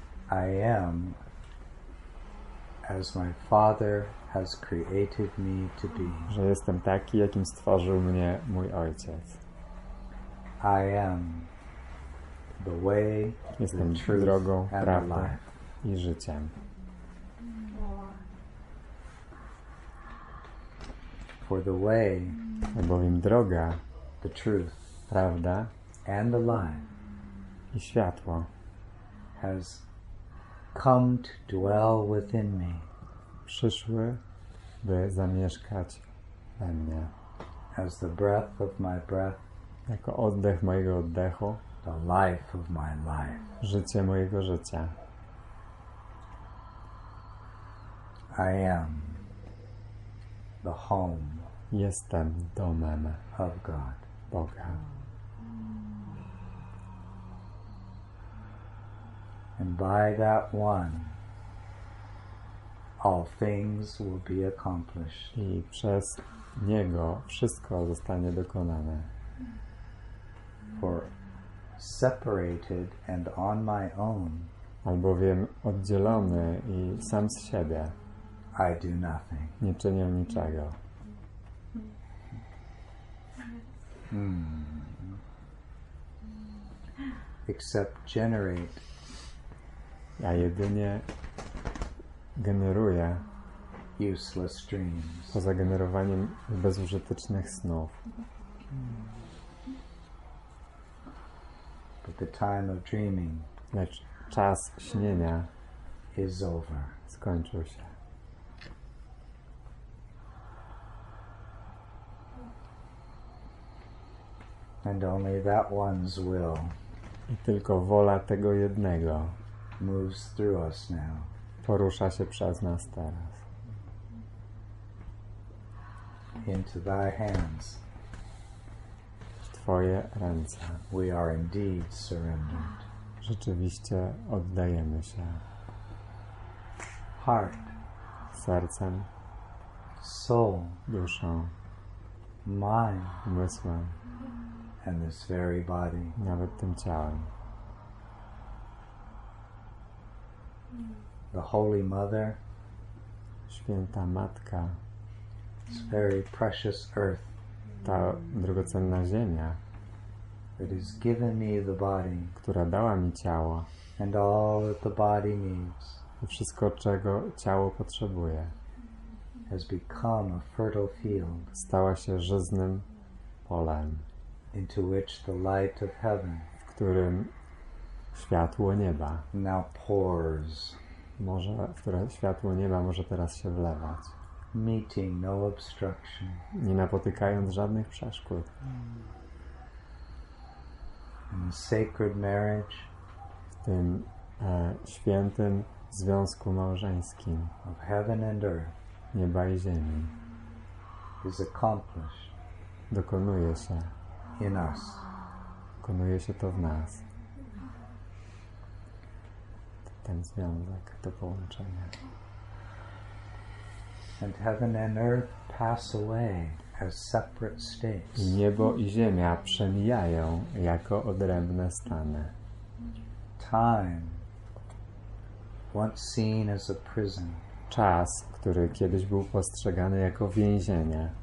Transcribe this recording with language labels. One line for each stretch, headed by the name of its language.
English: I am as my father has created me to be.
Polish: Że jestem taki, jakim stworzył mnie mój ojciec.
English: I am the way,
Polish: jestem
English: the truth,
Polish: drogą,
English: and
Polish: prawdą
English: the life.
Polish: I życiem.
English: For the way,
Polish: bowiem droga,
English: the truth,
Polish: prawda,
English: and the life,
Polish: i światło,
English: has come to dwell within me,
Polish: przyszły, by zamieszkać we mnie,
English: as the breath of my breath,
Polish: jako oddech mojego oddechu,
English: the life of my life,
Polish: życie mojego życia.
English: I am the home.
Polish: Jestem domem
English: of God.
Polish: Boga.
English: And by that one, all things will be accomplished.
Polish: I przez niego wszystko zostanie dokonane.
English: For separated and on my own,
Polish: albowiem oddzielony i sam z siebie,
English: I do nothing.
Polish: Nie czynię niczego.
English: Except generate.
Polish: Ja jedynie generuję
English: useless dreams.
Polish: Poza generowaniem bezużytecznych snów.
English: But the time of dreaming,
Polish: lecz czas śnienia,
English: is over.
Polish: Skończył się.
English: And only that one's will.
Polish: I tylko wola tego jednego
English: moves through us now.
Polish: Porusza się przez nas teraz.
English: Into thy hands.
Polish: W twoje ręce.
English: We are indeed surrendered.
Polish: Rzeczywiście oddajemy się.
English: Heart.
Polish: Sercem.
English: Soul.
Polish: Duszą.
English: Mind.
Polish: Umysłem.
English: And this very body.
Polish: Nawet tym ciałem.
English: The Holy Mother.
Polish: Święta Matka.
English: This very precious earth.
Polish: Ta drogocenna ziemia.
English: That has given me the body.
Polish: Która dała mi ciało.
English: And all that the body needs.
Polish: I wszystko, czego ciało potrzebuje.
English: Has become a fertile field.
Polish: Stała się żyznym polem.
English: Into which the light of heaven,
Polish: w którym światło nieba,
English: now pours,
Polish: może, w które światło nieba może teraz się wlewać,
English: meeting no obstruction,
Polish: nie napotykając żadnych przeszkód,
English: in the sacred marriage,
Polish: w tym świętym związku małżeńskim,
English: of heaven and earth,
Polish: nieba i ziemi,
English: is accomplished,
Polish: dokonuje się.
English: In us.
Polish: Dokonuje się to w nas. Ten związek, to połączenie.
English: And heaven and earth pass away as separate states.
Polish: I niebo i ziemia przemijają jako odrębne stany.
English: Time, once seen as a prison.
Polish: Czas, który kiedyś był postrzegany jako więzienie,